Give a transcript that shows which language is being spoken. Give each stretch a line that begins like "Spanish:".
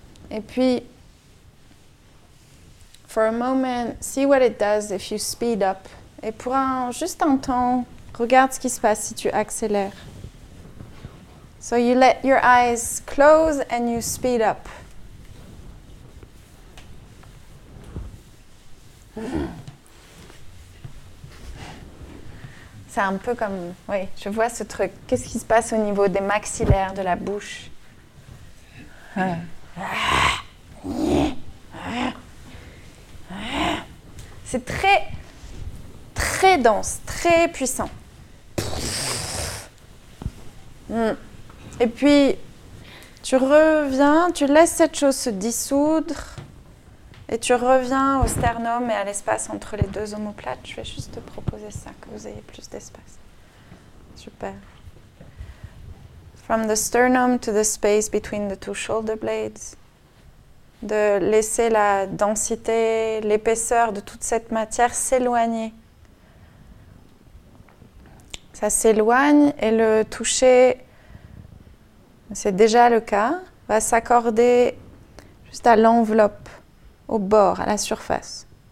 French: Et puis,
English: for a moment, see what it does if you speed up.
French: Et pour juste un temps, regarde ce qui se passe si tu accélères.
English: So you let your eyes close and you speed up.
French: C'est un peu comme, oui, je vois ce truc. Qu'est-ce qui se passe au niveau des maxillaires de la bouche? C'est très, très dense, très puissant. Et puis, tu reviens, tu laisses cette chose se dissoudre et tu reviens au sternum et à l'espace entre les deux omoplates. Je vais juste te proposer ça, que vous ayez plus d'espace. Super.
English: From the sternum to the space between the two shoulder blades.
French: De laisser la densité, l'épaisseur de toute cette matière s'éloigner. Ça s'éloigne et le toucher, c'est déjà le cas, va s'accorder juste à l'enveloppe, au bord, à la surface.